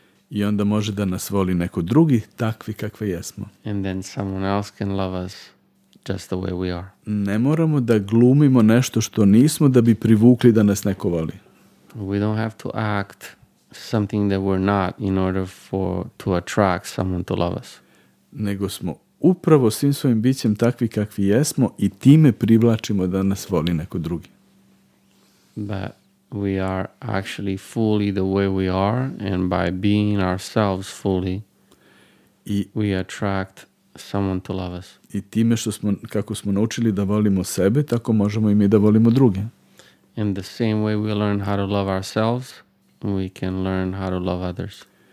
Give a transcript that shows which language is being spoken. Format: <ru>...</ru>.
<sr>I onda može da nas voli neko drugi takvi kakvi jesmo.</sr> <en>And then someone else can love us just the way we are.</en> <sr>Ne moramo da glumimo nešto što nismo da bi privukli da nas neko voli.</sr> <en>We don't have to act something that we're not in order for to attract someone to love us.</en> <sr>Nego smo upravo svim svojim bićem takvi kakvi jesmo i time privlačimo da nas voli neko drugi.</sr> <en>But we are actually fully the way we are and by being ourselves fully</en> <sr>I</sr> <en>we attract someone to love us.</en> <sr>I time što smo, kako smo naučili da volimo sebe, tako možemo i mi da volimo druge.</sr> <en>In the same way we learn how to love ourselves, we can learn how to love others.</en>